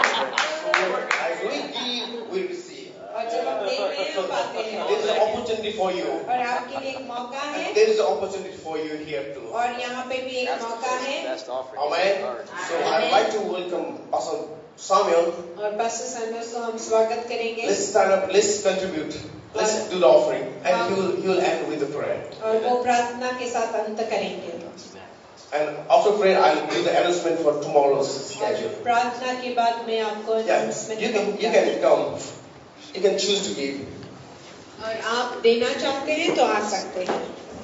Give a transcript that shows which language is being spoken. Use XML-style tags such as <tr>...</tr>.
<en>We give, we receive. There is an opportunity for you.</en> <hi>और आपके लिए एक मौका है.</hi> <en>There is an opportunity for you here too.</en> <hi>और यहाँ पे भी एक मौका है.</hi> <en>Amen. So I'd like to welcome Pastor Samuel.</en> <hi>और पास्टर सैमुएल को हम स्वागत करेंगे.</hi> <en>Let's stand up. Let's contribute. Let's do the offering. And you'll end with the prayer.</en> <hi>और वो प्रार्थना के साथ अंत करेंगे.</hi> <en>And after prayer, I'll do the announcement for tomorrow's schedule.</en> <hi>प्रार्थना के बाद मैं आपको announcement.</hi> <en>You can come. You can choose to give.</en> <hi>और आप देना चाहते हैं तो आ सकते हैं.</hi>